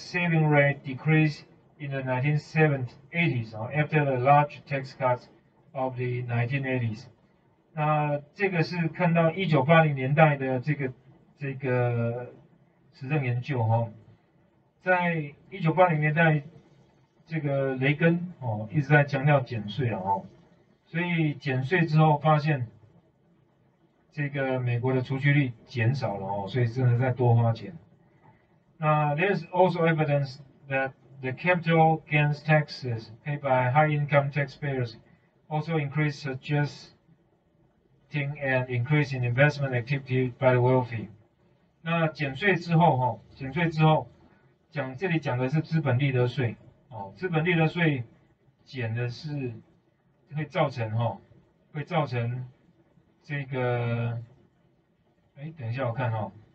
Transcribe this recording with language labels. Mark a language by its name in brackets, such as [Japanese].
[English] saving rate decreased in the 1970s after the large tax cuts of the 1980s。 [Chinese] 那这个是看到1980年代的这个实证研究哈，在1980年代，这个雷根哦一直在强调减税哦，所以减税之后发现。这个美国的储蓄率减少了哦，所以只能再多花钱。 [English] 那 there's also evidence that the capital gains taxes paid by high income taxpayers also increase, suggesting an increase in investment activity by the wealthy。 [Chinese] 那减税之后哈，减税之后讲这里讲的是资本利得税哦，资本利得税减的是会造成哈，会造成。这个，哎，等一下，我看哦。